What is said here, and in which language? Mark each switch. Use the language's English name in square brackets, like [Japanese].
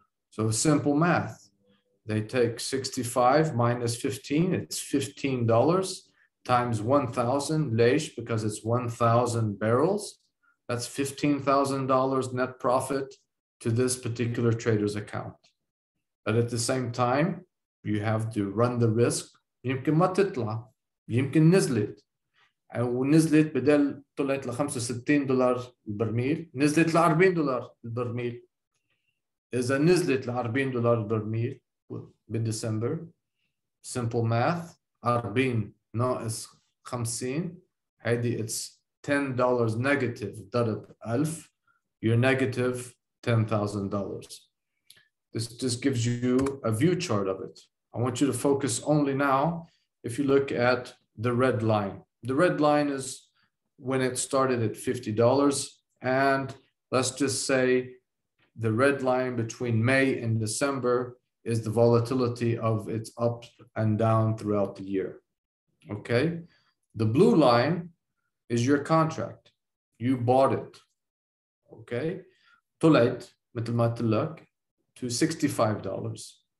[English] So simple math. They take 65 minus 15, it's $15 times 1,000 leish because it's 1,000 barrels. That's $15,000 net profit to this particular trader's account. But at the same time, you have to run the risk. [Arabic] يمكن ما تطلع, يمكن نزلت. ونزلت بدل طلعت ل 65 دولار البرميل نزلت ل 40 دولار البرميل. إذا نزلت ل 40 دولار البرميل بديسمبر, [English] simple math, [Arabic] 40 ناقص 50, هيدي [English] it's $10 negative [Arabic] ضرب 1000, [English] you're negative $10,000. This just gives you a view chart of it. I want you to focus only now if you look at the red line. The red line is when it started at $50. And let's just say the red line between May and December is the volatility of its up and down throughout the year. Okay. The blue line is your contract. You bought it. Okay. [Arabic] طلعت مثل ما تلك [English] to $65.